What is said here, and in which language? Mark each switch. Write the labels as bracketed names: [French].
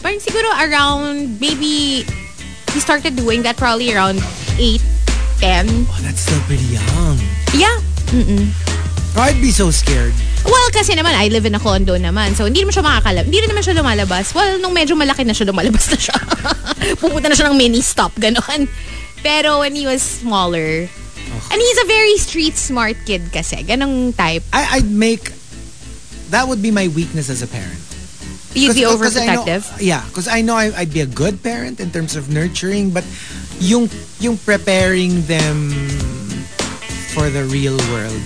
[English] Parang siguro around, maybe, he started doing that probably around 8, 10. Oh, that's still pretty young. Yeah. Mm-mm. I'd be so scared. Well, kasi naman, I live in a condo naman. [Filipino] So, hindi naman siya makakalabas. Hindi naman siya lumalabas. Well, nung medyo malaki na siya, lumalabas na siya. Pupunta na siya ng mini-stop, ganon. [English] Pero when he was smaller. Oh. And he's a very street-smart kid kasi. [Filipino] Ganong type. [English] That would be my weakness as a parent. You'd be overprotective? Because I know I'd be a good parent in terms of nurturing. But yung preparing them for the real world.